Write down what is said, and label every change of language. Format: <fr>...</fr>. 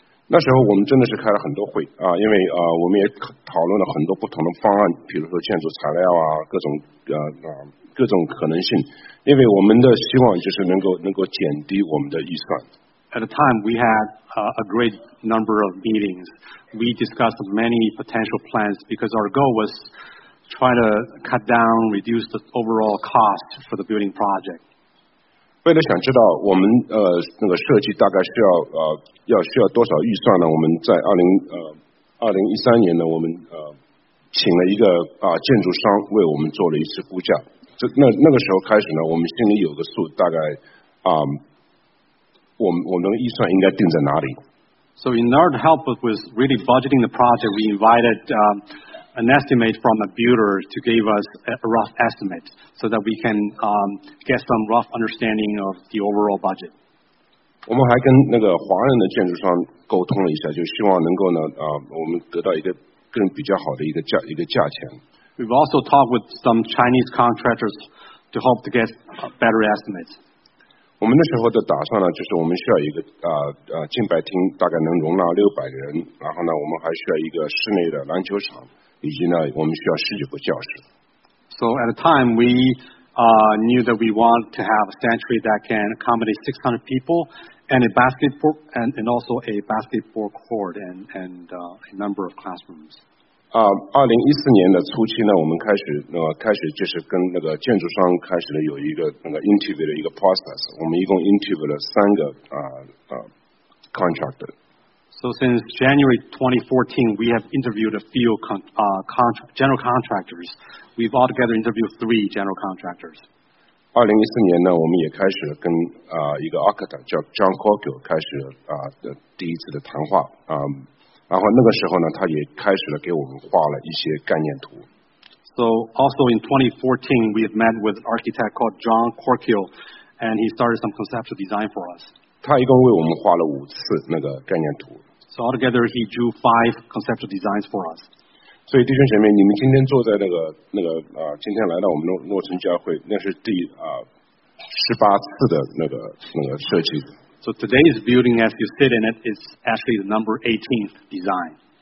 <zh>那时候我们真的是开了很多会啊，因为我们也讨论了很多不同的方案，比如说建筑材料啊，各种可能性，因为我们的希望就是能够减低我们的预算。</zh> <en>At the time, we had a great number of meetings. We discussed many potential plans because our goal was try to cut down, reduce the overall cost for the building project.</en> <zh>为了想知道我们那个设计大概需要多少预算呢？我们在2013年呢，我们请了一个建筑商为我们做了一次估价。那个时候开始呢，我们心里有个数，大概我们的预算应该定在哪里。</zh> <en>So in order to help us with really budgeting the project, we invited an estimate from a builder to give us a rough estimate so that we can get some rough understanding of the overall budget.</en> <zh>我们还跟那个华人的建筑商沟通了一下，就希望能够呢我们得到一个更比较好的一个价钱。</zh> <en>We've also talked with some Chinese contractors to hope to get better estimates.</en> <zh>我们那时候的打算呢，就是我们需要一个敬拜厅，大概能容纳600人，然后呢，我们还需要一个室内的篮球场，以及呢，我们需要19个教室。</zh> <en>So at the time we knew that we want to have a sanctuary that can accommodate 600 people and a basketball and also a basketball court and a number of classrooms.</en> <zh>2014年的初期呢，我们开始就是跟那个建筑商开始了有一个那个 interview 的一个 process。我们一共 interview 了3个 contractor。</zh> <en>So since January 2014, we have interviewed a few general contractors. We've altogether interviewed 3 general contractors.</en> <zh>2014年呢，我们也开始跟一个 architect 叫 John Corkill 开始第一次的谈话然后那个时候呢，他也开始了给我们画了一些概念图。</zh> <en>So also in 2014, we have met with an architect called John Corkill, and he started some conceptual design for us.</en> <zh>他一共为我们画了5次那个概念图。</zh> <en>So altogether, he drew 5 conceptual designs for us.</en> <zh>所以弟兄姐妹，你们今天坐在那个今天来到我们诺城教会，那是第18次的那个设计。</zh> <en>So today's building, as you sit in it, is actually the number 18th design.</en>